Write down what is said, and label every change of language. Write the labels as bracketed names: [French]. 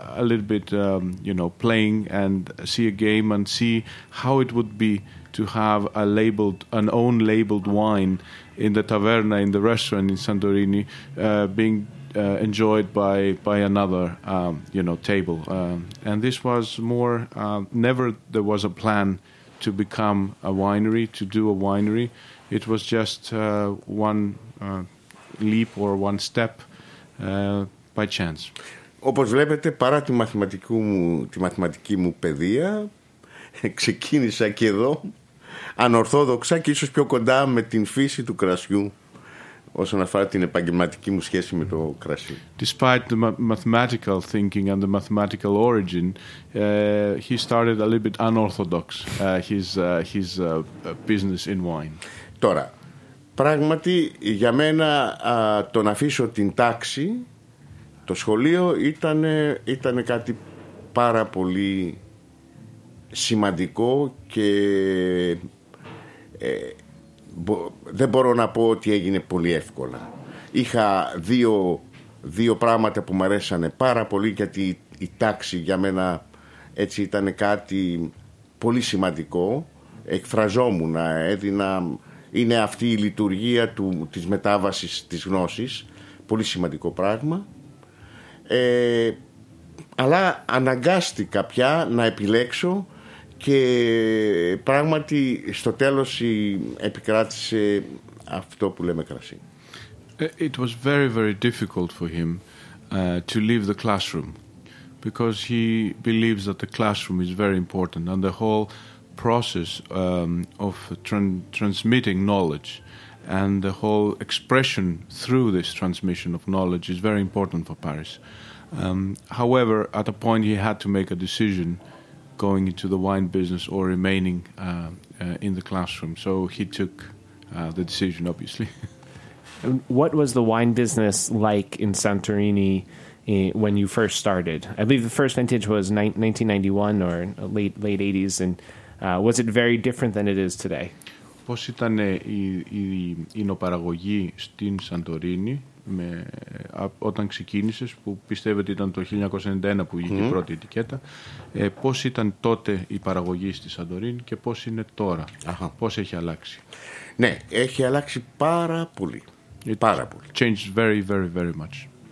[English] little bit, you know, playing and see a game and see how it would be to have an own labeled wine in the taverna, in the restaurant in Santorini, being enjoyed by another, you know, table. And this was more, never there was a plan to become a winery, to do a winery. It was just one leap or one step by chance. [Greek] Όπως βλέπετε, παρά τη μαθηματική μου παιδεία, ξεκίνησα και εδώ ανορθόδοξα και ίσως πιο κοντά με την φύση του κρασιού όσον αφορά την επαγγελματική μου σχέση με το κρασί. [English] Despite the mathematical thinking and the mathematical origin, he started a little bit unorthodox his business in wine. [Greek] Τώρα, πράγματι για μένα το να αφήσω την τάξη, το σχολείο ήταν κάτι πάρα πολύ σημαντικό και δεν μπορώ να πω ότι έγινε πολύ εύκολα. Είχα δύο πράγματα που μου αρέσανε πάρα πολύ, γιατί η τάξη για μένα έτσι ήταν κάτι πολύ σημαντικό. Εκφραζόμουν, έδινα, είναι αυτή η λειτουργία της μετάβασης της γνώσης, πολύ σημαντικό πράγμα. Αλλά αναγκάστηκα πια να επιλέξω και πράγματι στο τέλος επικράτησε αυτό που λέμε κρασί. [English] It was very, very difficult for him to leave the classroom because he believes that the classroom is very important and the whole process of transmitting knowledge and the whole expression through this transmission of knowledge is very important for Paris. However, at a point he had to make a decision going into the wine business or remaining in the classroom. So he took the decision, obviously. And what was the wine business like in Santorini when you first started? I believe the first vintage was 1991 or late 80s. And was it very different than it is today? [Greek] Πώς ήταν η ενοπαραγωγή στην Σαντορίνη όταν ξεκίνησες, που πιστεύετε ήταν το 1991 που βγήκε η πρώτη ετικέτα, πώς ήταν τότε η παραγωγή στη Σαντορίνη και πώς είναι τώρα, πώς έχει αλλάξει? Ναι, έχει αλλάξει πάρα πολύ. [English] Changed very, very, very much.